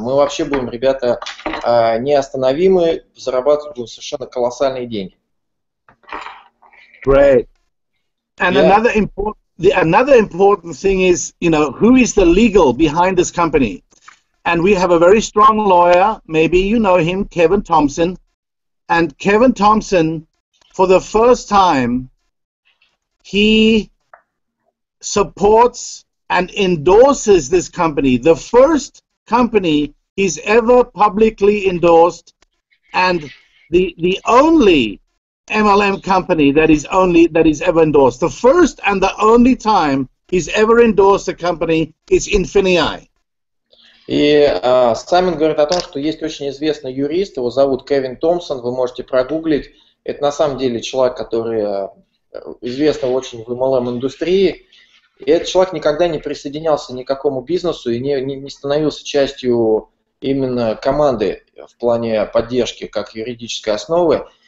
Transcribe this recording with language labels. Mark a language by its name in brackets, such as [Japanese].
[Russian] Мы вообще будем, ребята, неостановимы, зарабатывать будем совершенно колоссальные деньги. [English] Great. And another important thing is, you know, who is the legal behind this company? And we have a very strong lawyer, maybe you know him, Kevin Thompson. And Kevin Thompson, for the first time, he supports and endorses this company, the first company he's ever publicly endorsed, and the only MLM company that is ever endorsed. The first and the only time he's ever endorsed a company is Infinia. [Russian] И Саймон говорит о том, что есть очень известный юрист, его зовут Кевин Томпсон, вы можете прогуглить. Это на самом деле человек, который известен очень в MLM индустрии. И этот человек никогда не присоединялся ни к какому бизнесу и не становился частью именно команды в плане поддержки как юридической основы.